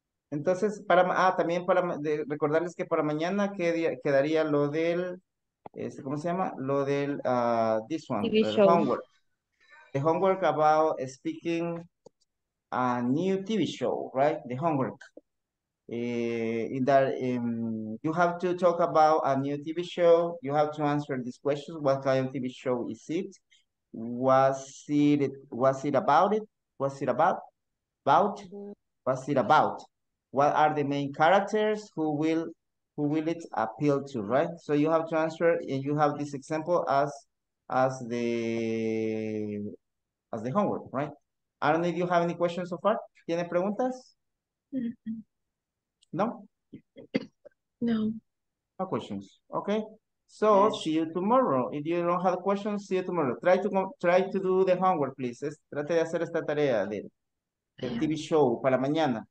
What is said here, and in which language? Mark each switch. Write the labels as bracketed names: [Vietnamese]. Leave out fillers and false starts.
[Spanish] Entonces, para también para recordarles que para mañana quedaría lo del ¿cómo se llama? Lo del [English] this one, the homework. The homework about speaking a new TV show, right? The homework. In that you have to talk about a new TV show. You have to answer these questions. What kind of TV show is it? What's it about? What are the main characters? Who will it appeal to, right? So you have to answer, and you have this example as the homework, right? I don't know if you have any questions so far. [Spanish] ¿Tiene preguntas? Mm-hmm. [English] No? No. No questions. Okay. So, yes. See you tomorrow. If you don't have questions, see you tomorrow. Try to do the homework, please. [Spanish] Trate de hacer esta tarea del TV show para mañana.